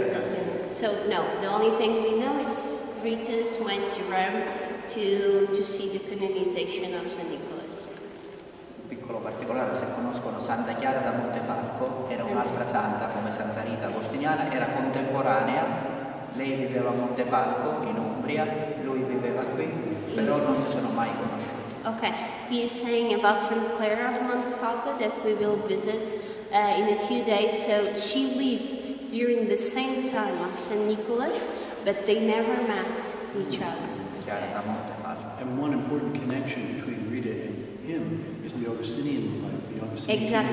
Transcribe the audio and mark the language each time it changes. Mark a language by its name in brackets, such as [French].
[English] The only thing we know is Rita went to Rome to see the canonization of Saint Nicholas. [Italian] Piccolo particolare, se conoscono Santa Chiara da Montefalco, era un'altra santa come Santa Rita agostiniana, era contemporanea, lei viveva a Montefalco in Umbria, lui viveva qui, però non si sono mai conosciuti. [English] Okay, he is saying about Saint Clara of Montefalco that we will visit in a few days. So she lived during the same time of Saint Nicholas, but they never met each other. And one important connection between Rita and him is the Augustinian life.